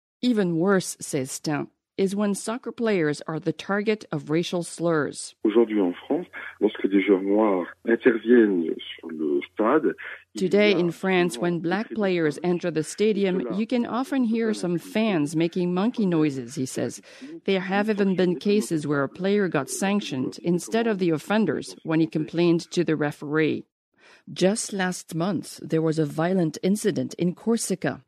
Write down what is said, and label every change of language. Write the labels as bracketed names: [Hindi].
[English] Even worse, says Stein, is when soccer players are the target of racial slurs. [French] Aujourd'hui en France, lorsque des joueurs noirs interviennent sur le stade, [English] today in France, when black players enter the stadium, you can often hear some fans making monkey noises, he says. There have even been cases where a player got sanctioned instead of the offenders when he complained to the referee. Just last month, there was a violent incident in Corsica.